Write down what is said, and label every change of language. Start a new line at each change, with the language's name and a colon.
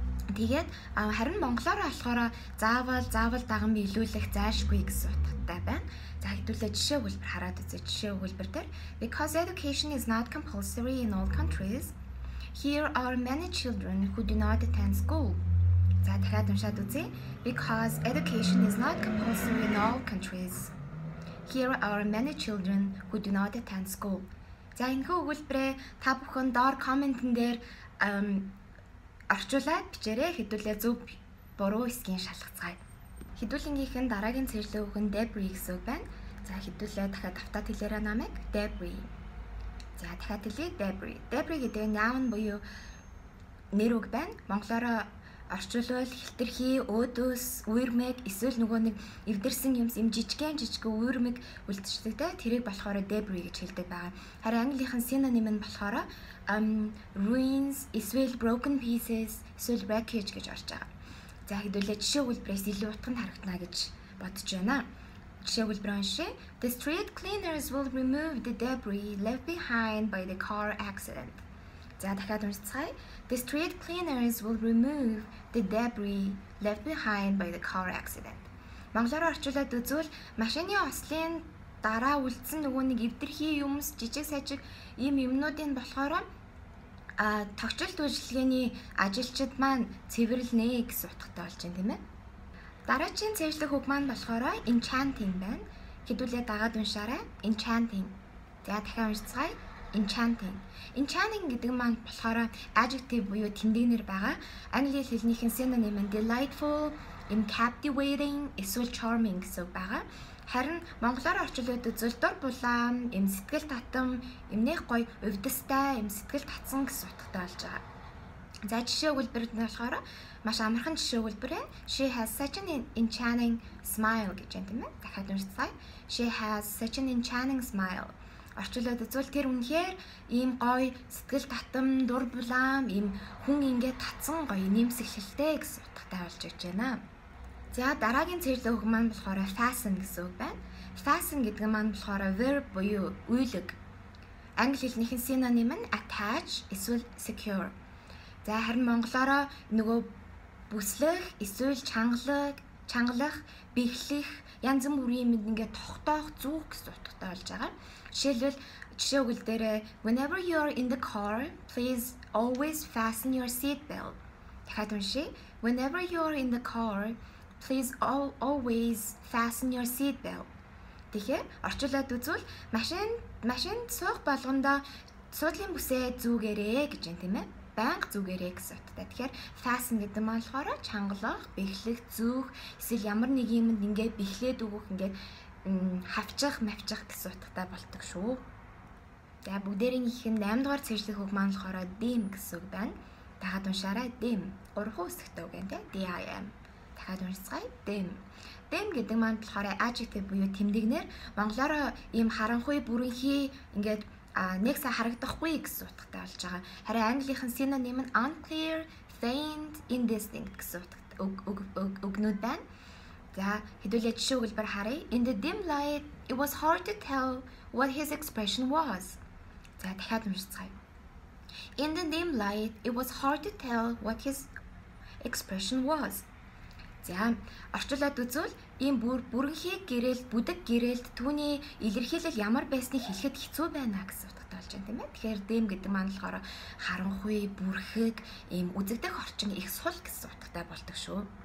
Mongolian: Тэгээд харин монголоор болохоор заавал даган биелүүлэх зайлшгүй гэсэн утгатай байна. За хэдүүлээ жишээ хэлбэр хараад үзье. Жишээ хэлбэр дээр
English: because education is not compulsory in all countries, here are many children who do not attend school.
Mongolian: За дахиад уншаад үзье.
English: Because education is not compulsory in all countries, here are many children who do not attend school.
Mongolian: За энэхүү өгүүлбэрээ та бүхэн доор комментэн дээр орчуулад бичээрэй. Хэдүүлээ зөв буруу эсгийн шалгацгаая. Хэдүүлэнгийнхэн дараагийн цэвэрлэх үг нь debris гэсэн үг байна. За хэдүүлээ дахиад давтаа тэлэрээ намайг debris. За дахиад тэлээ debris. Debris гэдэг нь noun буюу нэр үг байна. Монголоор орчуулбал хэлтэрхий, өөдөөс, үермэг, эсвэл нөгөө нэг эвдэрсэн юмс, юм жижигэн жижигэн үермэг үлдчихдэг те, тэрийг болохоор debris гэж хэлдэг байгаа. Харин английн synonym нь болохоор ruins, эсвэл broken pieces, эсвэл wreckage гэж орж байгаа. За хэдүүлээ жишээ хэлбэрээс илүү утга нь харагдана гэж бодож байна. Жишээ хэлбэр уншъя.
English: The street cleaners will remove the debris left behind by the car accident.
Mongolian: За дахиад уншицгаая.
English: The street cleaners will remove the debris left behind by the car accident.
Mongolian: Монголоор орчуулад үзвэл машины ослын дараа үлдсэн нөгөө нэг эвдэрхий юмс, жижиг сажиг ийм юмнуудын болохоор тогтчилт үйлчилгээний ажилчид маань цэвэрлэнэ гэсэн утгатай болж байна, тийм ээ. Дараагийн цэвэрлэх үг маань болохоор enchanting байна. Хэдүүлээ дагаад уншаарай. Enchanting. За дахиад уншицгаая. Enchanting. Enchanting гэдэг маань болохоор adjective буюу тэмдэгнэр байгаа. Англи хэлнийхэн synonym нь delightful, captivating, эсвэл charming гэсэн байгаа. Харин монголоор орчуулгад зөлдөр булаан, сэтгэл татам, нэх гоё, өвдөстэй, сэтгэл татсан гэсэн утгатай болж байгаа. За жишээ үлбэрт нь болохоор маш амархан жишээ үлбэр байна.
English: She has such an enchanting smile
Mongolian: гэж байна тийм ээ. Дахиад уншицгаая.
English: She has such an enchanting smile.
Mongolian: Орчуулгад үзвэл тэр үнэхээр ийм гоё, сэтгэл татам, дур булаам, хүн ингээд татсан гоё, нэмсэглэлтэй гэсэн утгатай болж байгаа юм аа. За дараагийн цэрлэг үг маань болохоор fasten гэсэн үг байна. Fasten гэдэг нь маань болохоор verb буюу үйлэг. Англи хэлнийхэн synonym нь attach эсвэл secure. За харин монголоор нөгөө бүслэх, эсвэл чангалах, бэхлэх, янз бүрийн юм ингээд тогтоох, зүүх гэсэн утгатай болж байгаа. Жишээлбэл жишээ үгэл дээр
English: whenever you are in the car, please always fasten your seat belt.
Mongolian: Дахиад уншъя.
English: Whenever you are in the car, please always fasten your seat belt.
Mongolian: Тэгэхээр орчуулад үзвэл машинд суух болгондоо суудлын бүсээ зүүгээрэй гэж байна тийм ээ. Баг зүүгээрэй гэсэн утгатай. Тэгэхээр fasten гэдэг нь болохоор чангалах, бэхлэх, зүүх, эсвэл ямар нэг юмд ингээ бэхлээд өгөх ингээ хавчих, мавчих гэсэн утгатай болตก шүү. За бүгдээрийнхэн 8 дугаар цэжлэх хөг маань болохоор dim гэсэн үг байна. Дахиад уншаарай. Dim. 3 хүсэгтэй үг энэ. D-I-M. Дахиад уншицгаая. Dim. Dim гэдэг маань болохоор adjective буюу тэмдэгнэр монголоор ийм харанхуй, бүрэнхий ингээд нэг сай харагдахгүй гэсэн утгатай болж байгаа. Харин английн synonym нь unclear, faint, indistinct гэсэн утгатай өгнүүд байна. За хэдүүлээ жишээ үгэлбэр харъя.
English: In the dim light, it was hard to tell what his expression was.
Mongolian: За дахиад уншицгаая.
English: In the dim light, it was hard to tell what his expression was.
Mongolian: За орчуулад үзвэл ийм бүрэнхий гэрэлд, бүдэг гэрэлд түүний илэрхийлэл ямар байсныг хэлэхэд хэцүү байна гэсэн утгатай болж байна тийм ээ. Тэгэхээр dim гэдэг нь болохоор харанхуй, бүрхэг, ийм үзэгдэх орчин их сул гэсэн утгатай болตก шүү.